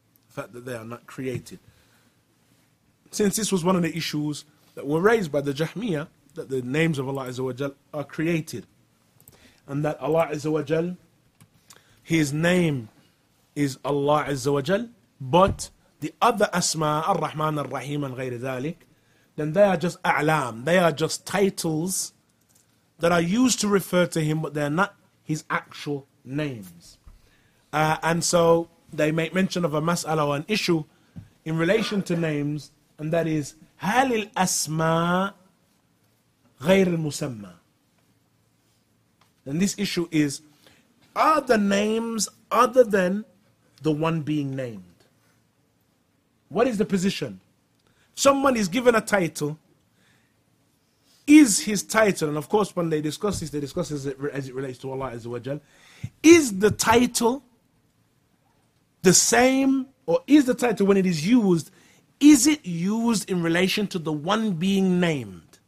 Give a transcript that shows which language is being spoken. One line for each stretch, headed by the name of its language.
English: The fact that they are not created. Since this was one of the issues that were raised by the Jahmiya, that the names of Allah Azza wa Jal are created, and that Allah Azza wa Jal, his name is Allah Azza wa Jal, but the other asma, Ar-Rahman, Ar-Rahim, and ghayr dhalik, then they are just a'lam, they are just titles that are used to refer to him, but they are not his actual names. And so they make mention of a mas'ala, or an issue, in relation to names. And that is,
Arabic: هل الأسماء غير المسمى?
English: And this issue is, are the names other than the one being named? What is the position? Someone is given a title. Is his title, and of course when they discuss this as it relates to Allah Azza wa Jal, is the title the same, or is the title when it is used, is it used in relation to the one being named?